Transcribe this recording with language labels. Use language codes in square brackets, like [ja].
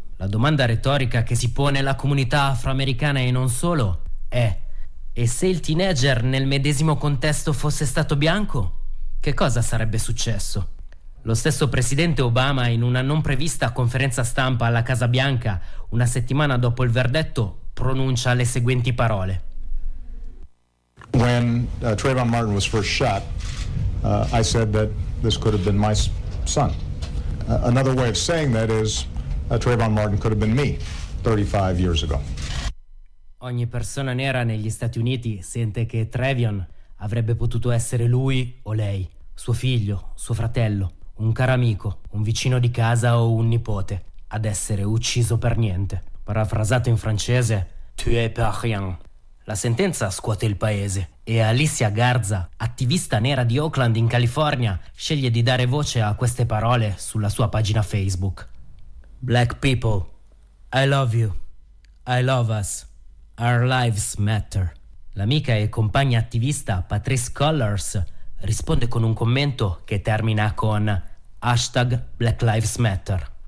[it] La domanda retorica che si pone la comunità afroamericana e non solo è: e se il teenager nel medesimo contesto fosse stato bianco, che cosa sarebbe successo? Lo stesso presidente Obama, in una non prevista conferenza stampa alla Casa Bianca, una settimana dopo il verdetto, pronuncia le seguenti parole. [en] When Trayvon Martin was first shot, I said that this could have been my son. Another way of saying that is Trayvon Martin could have been me 35 years ago. [it] Ogni persona nera negli Stati Uniti sente che Trayvon avrebbe potuto essere lui o lei, suo figlio, suo fratello, un caro amico, un vicino di casa o un nipote, ad essere ucciso per niente. Parafrasato in francese, [fr] tué par rien. [it] La sentenza scuote il paese e Alicia Garza, attivista nera di Oakland in California, sceglie di dare voce a queste parole sulla sua pagina Facebook. [en] Black people, I love you. I love us. Our lives matter. [it] L'amica e compagna attivista Patrice Cullors risponde con un commento che termina con hashtag Black Lives Matter.